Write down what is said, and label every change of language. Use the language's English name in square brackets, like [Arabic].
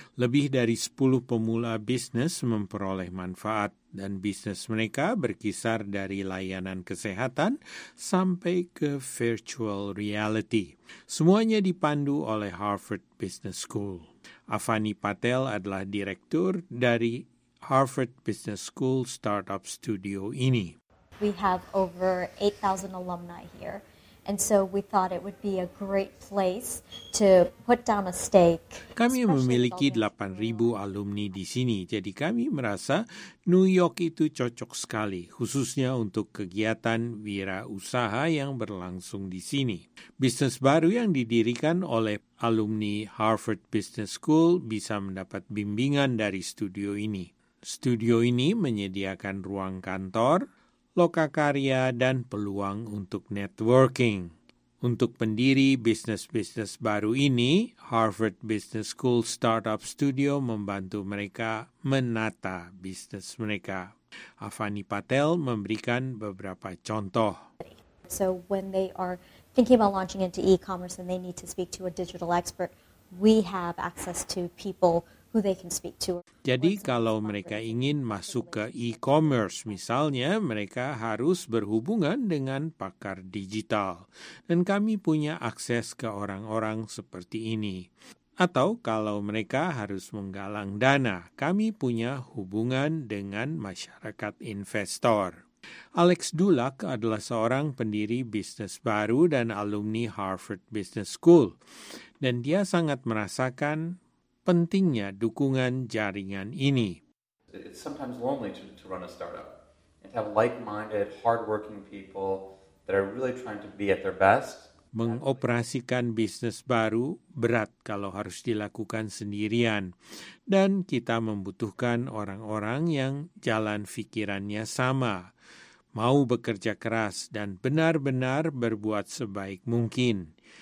[Indonesian] Lebih dari 10 pemula bisnis memperoleh manfaat, dan bisnis mereka berkisar dari layanan kesehatan sampai ke virtual reality. Semuanya dipandu oleh Harvard Business School. Avani Patel adalah direktur dari Harvard Business School Startup Studio ini. [English] We have over 8,000 alumni here, and so we thought it would be a great place to put down a stake. [Indonesian] Kami memiliki 8,000 alumni di sini, jadi kami merasa New York itu cocok sekali, khususnya untuk kegiatan wira usaha yang berlangsung di sini. Bisnis baru yang didirikan oleh alumni Harvard Business School bisa mendapat bimbingan dari studio ini. Studio ini menyediakan ruang kantor, lokakarya, dan peluang untuk networking. Untuk pendiri bisnis-bisnis baru ini, Harvard Business School Startup Studio membantu mereka menata bisnis mereka. Avani Patel memberikan beberapa contoh. [English] So when they are thinking about launching into e-commerce and they need to speak to a digital expert, we have access to people who they can speak to. [Indonesian] Jadi kalau mereka ingin masuk ke e-commerce misalnya, mereka harus berhubungan dengan pakar digital. Dan kami punya akses ke orang-orang seperti ini. Atau kalau mereka harus menggalang dana, kami punya hubungan dengan masyarakat investor. Alex Dulac adalah seorang pendiri bisnis baru dan alumni Harvard Business School. Dan dia sangat merasakan pentingnya dukungan jaringan ini. [English] It's sometimes lonely to run a startup and have like-minded, hard-working people that are really trying to be at their best. [Indonesian] Mengoperasikan bisnis baru berat kalau harus dilakukan sendirian, dan kita membutuhkan orang-orang yang jalan pikirannya sama, mau bekerja keras dan benar-benar berbuat sebaik mungkin.